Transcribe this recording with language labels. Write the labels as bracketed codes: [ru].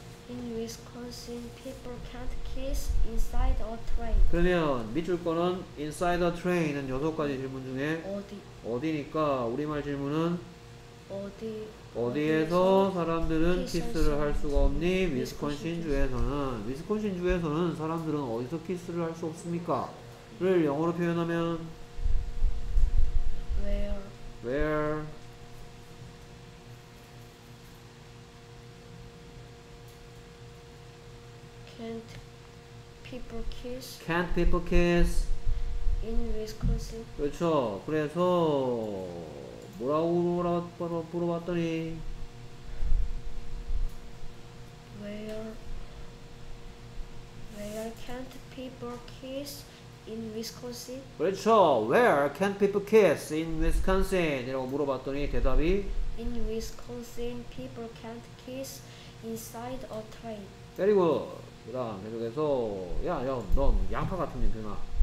[en] In Wisconsin, people can't kiss inside a train. [ko] 그러면 밑줄 거는 [en] inside a train [ko] 은 여섯 가지 질문 중에 어디? 어디니까 우리말 질문은 어디? 어디에서 사람들은 키스를 할 수가 없니? 위스콘신주에서는. 위스콘신주에서는 사람들은 어디서 키스를 할 수 없습니까? 를 영어로 표현하면 [en] Where? Can't people kiss? Can't people kiss? In Wisconsin. [ko] 그렇죠. 그래서 뭐라고 물어봤더니 [en] Where can't people kiss in Wisconsin? [ko] 그렇죠. [en] Where can't people kiss in Wisconsin? [ko] 이라고 물어봤더니 대답이 In Wisconsin, people can't kiss inside a train. Very good. 그 다음 계속해서 야, 넌 양파 같은 냄새나.